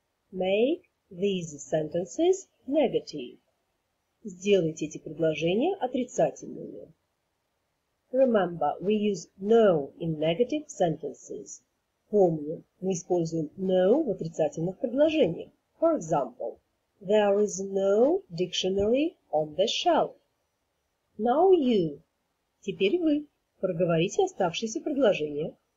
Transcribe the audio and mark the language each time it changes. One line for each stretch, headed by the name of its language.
English: Make these sentences negative.
Russian: Сделайте эти предложения отрицательными.
English: Remember, we use no in negative sentences.
Russian: Помним, мы используем no в отрицательных предложениях.
English: For example, there is no dictionary on the shelf. Now you.
Russian: Теперь вы. Проговорите оставшиеся предложения.